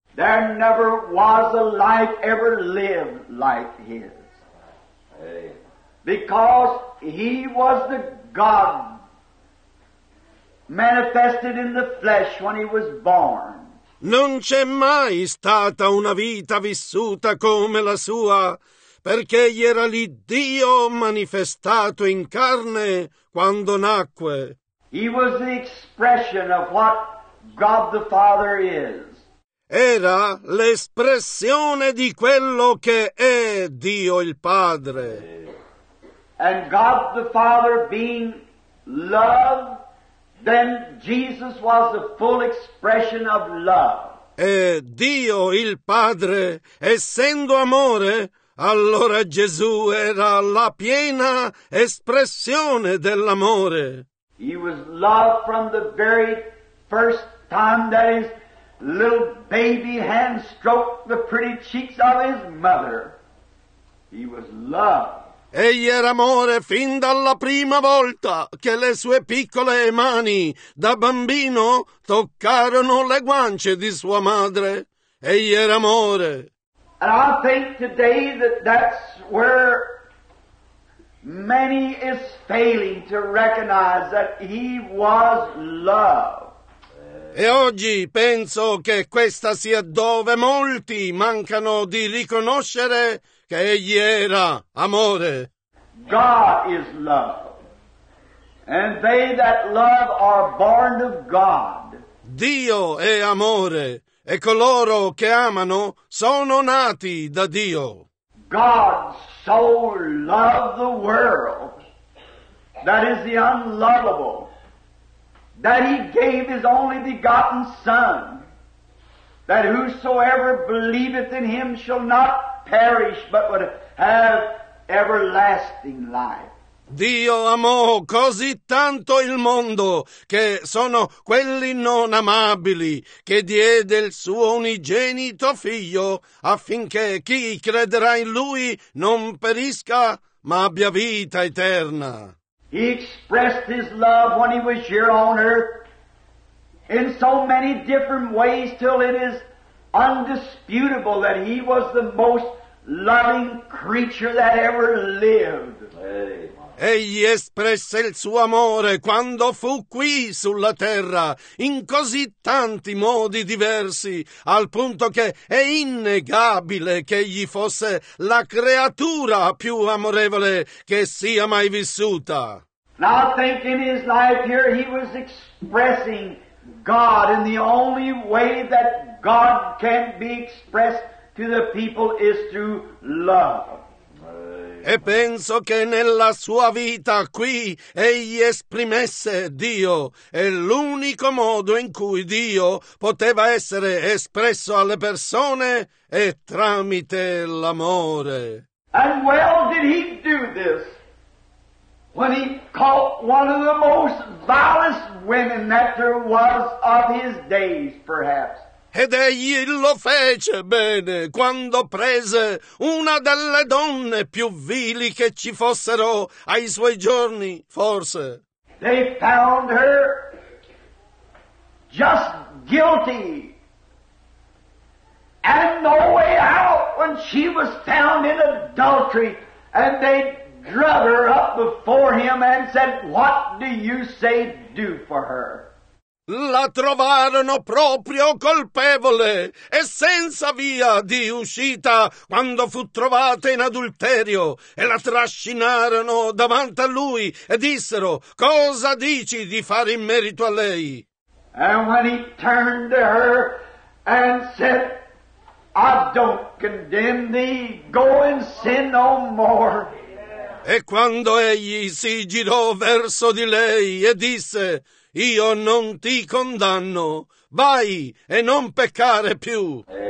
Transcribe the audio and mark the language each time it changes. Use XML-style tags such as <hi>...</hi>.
<en>There never was a life ever lived like his. Because he was the God manifested in the flesh when he was born.</en> <it>Non c'è mai stata una vita vissuta come la sua, perché egli era lì Dio manifestato in carne quando nacque.</it> <en>He was the expression of what God the Father is.</en> <it>Era l'espressione di quello che è Dio il Padre.</it> <en>And God the Father being love, then Jesus was the full expression of love.</en> <it>E Dio il Padre, essendo amore, allora Gesù era la piena espressione dell'amore.</it> <en>He was love from the very first time that his little baby hand stroked the pretty cheeks of his mother. He was love.</en> <it>Egli era amore fin dalla prima volta che le sue piccole mani da bambino toccarono le guance di sua madre. Egli era amore.</it> <en>And I think today that that's where many is failing to recognize that he was love.</en> <it>E oggi penso che questa sia dove molti mancano di riconoscere che egli era amore.</it> <en>God is love. And they that love are born of God.</en> <it>Dio è amore, e coloro che amano sono nati da Dio.</it> <en>God so loved the world, that is the unlovable, that he gave his only begotten Son, that whosoever believeth in him shall not perish, but would have everlasting life.</en> <it>Dio amò così tanto il mondo che sono quelli non amabili che diede il suo unigenito figlio affinché chi crederà in lui non perisca ma abbia vita eterna.</it> <en>He expressed his love when he was here on earth in so many different ways till it is undisputable that he was the most loving creature that ever lived.</en> <it>Egli espresse il suo amore quando fu qui sulla terra in così tanti modi diversi, al punto che è innegabile che egli fosse la creatura più amorevole che sia mai vissuta.</it> <en>Now think in his life here he was expressing God in the only way that God can be expressed to the people is through love.</en> <it>E penso che nella sua vita qui egli esprimesse Dio, e l'unico modo in cui Dio poteva essere espresso alle persone è tramite l'amore.</it> <en>And well did he do this when he caught one of the most vilest women that there was of his days, perhaps.</en> <it>Ed egli lo fece bene quando prese una delle donne più vili che ci fossero ai suoi giorni, forse.</it> <en>They found her just guilty. And no way out when she was found in adultery. And they drug her up before him and said, "What do you say do for her?"</en> <it>La trovarono proprio colpevole e senza via di uscita quando fu trovata in adulterio, e la trascinarono davanti a lui e dissero: "Cosa dici di fare in merito a lei?"</it> <en>And when he turned to her and said, "I don't condemn thee, go and sin no more."</en> <it>E quando egli si girò verso di lei e disse: "Io non ti condanno, vai e non peccare più."</it>